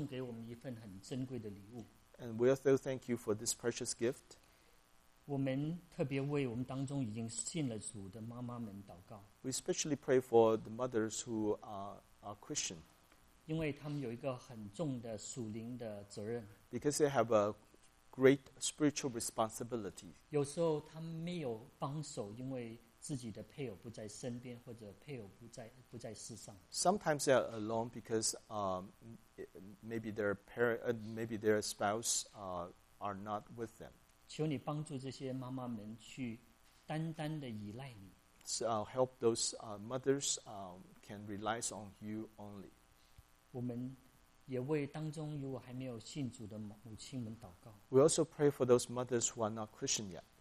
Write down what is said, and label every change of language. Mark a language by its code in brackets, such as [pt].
[zh] 我们也感谢你送给我们一份很珍贵的礼物。 [en] And we also thank you for this precious gift. [zh] 我们特别为我们当中已经信了主的妈妈们祷告。 [en] We especially pray for the mothers who are Christian. [zh] 因为他们有一个很重的属灵的责任。 [en] Because they have a great spiritual responsibility. [zh] 有时候他们没有帮手, 因为自己的配偶不在身边，或者配偶不在世上。 [en] Sometimes they are alone because maybe their spouse are not with them. [zh] 求你帮助这些妈妈们去单单的依赖你。 [en] So help those mothers can rely on you only. [zh] 我们也为当中如果还没有信主的母亲们祷告。 [en] We also pray for those mothers who are not Christian yet.